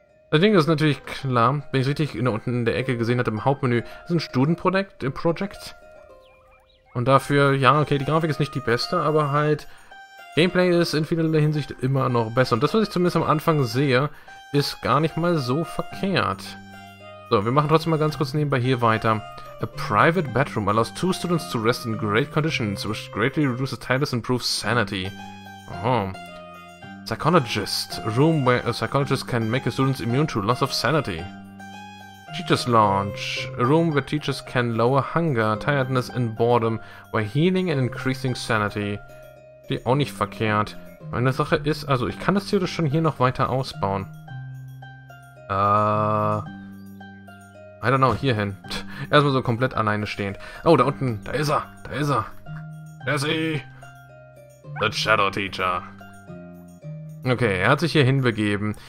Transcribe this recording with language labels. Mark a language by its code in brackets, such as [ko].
[de] Das Ding ist natürlich klar, wenn ich richtig unten in der Ecke gesehen hatte, im Hauptmenü, ist ein Student-Project. Und dafür, ja, okay, die Grafik ist nicht die beste, aber halt, Gameplay ist in vielerlei Hinsicht immer noch besser. Und das, was ich zumindest am Anfang sehe, ist gar nicht mal so verkehrt. So, wir machen trotzdem mal ganz kurz nebenbei hier weiter. [en] A private bedroom allows two students to rest in great conditions, which greatly reduces tiredness and improves sanity. Oh. Psychologist. A room where a psychologist can make a student immune to loss of sanity. Teacher's lounge. A room where teachers can lower hunger, tiredness and boredom while healing and increasing sanity. [de] Die auch nicht verkehrt. Meine Sache ist, also ich kann das theoretisch schon hier noch weiter ausbauen. [en] I don't know, [de] hier hin. Erstmal so komplett alleine stehend. Oh, da unten, da ist er, da ist er. Jesse! The Shadow Teacher. Okay, er hat sich hier hinbegeben.